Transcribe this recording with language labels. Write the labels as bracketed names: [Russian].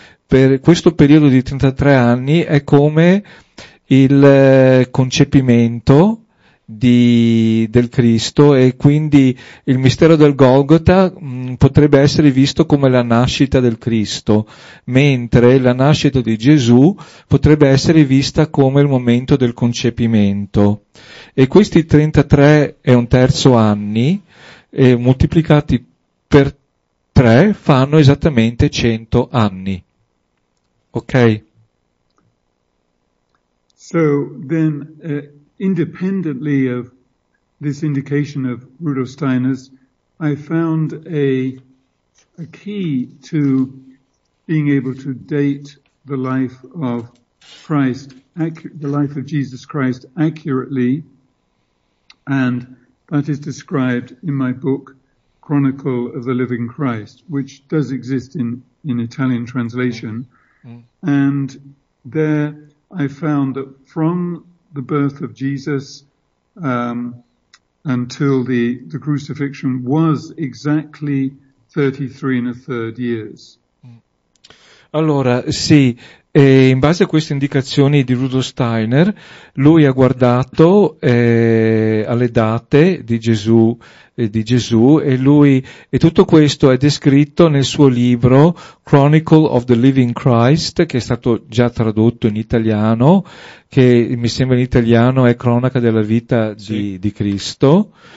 [Italian] Per questo periodo di 33 anni è come il concepimento del Cristo, e quindi il mistero del Golgotha potrebbe essere visto come la nascita del Cristo, mentre la nascita di Gesù potrebbe essere vista come il momento del concepimento. E questi 33 e un terzo anni, moltiplicati per 3, fanno esattamente 100 anni. Ok? [English] So then, independently of this indication of Rudolf Steiner's, I found a key to being able to date the life of Christ, the life of Jesus Christ accurately, and that is described in my book, Chronicle of the Living Christ, which does exist in Italian translation. Mm. And there I found that from the birth of Jesus until the crucifixion was exactly 33 and a third years. [Italian] Allora, sì, e in base a queste indicazioni di Rudolf Steiner, lui ha guardato alle date di Gesù e tutto questo è descritto nel suo libro Chronicle of the Living Christ, che è stato già tradotto in italiano, che mi sembra in italiano è Cronaca della vita di Cristo.